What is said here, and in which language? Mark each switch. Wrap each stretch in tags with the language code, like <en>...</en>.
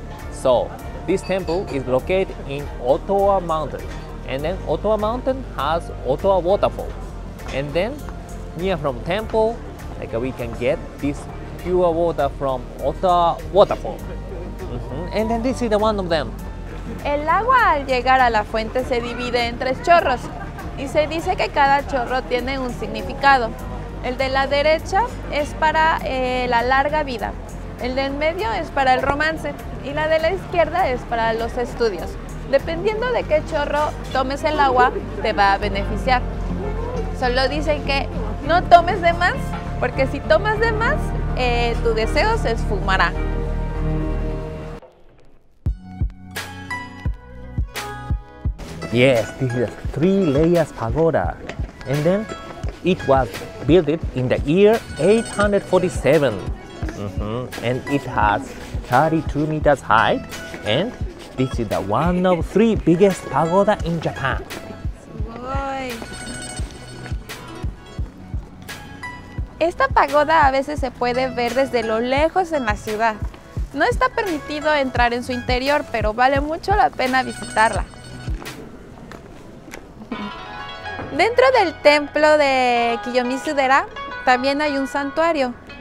<en>So, this temple is located in Otoa Mountain. And then Otoa Mountain has Otoa Waterfall. And then, near from temple, like we can get this pure water from Otoa Waterfall. And then this is the one of them.</en> <es>El agua al llegar a la fuente se divide en tres chorros y se dice que cada chorro tiene un significado. El de la derecha es para la larga vida, el del medio es para el romance y la de la izquierda es para los estudios. Dependiendo de qué chorro tomes el agua, te va a beneficiar. Solo dicen que no tomes de más, porque si tomas de más, tu deseo se esfumará.</es> <en>Yes, this is a three layers pagoda. And then it was built in the year 847. Mm-hmm. And it has 32 meters height. And this is the one of three biggest pagoda in Japan. Boy.</en> <es>Esta pagoda a veces se puede ver desde lo lejos en la ciudad. No está permitido entrar en su interior, pero vale mucho la pena visitarla. Dentro del templo de Kiyomizu-dera también hay un santuario.</es>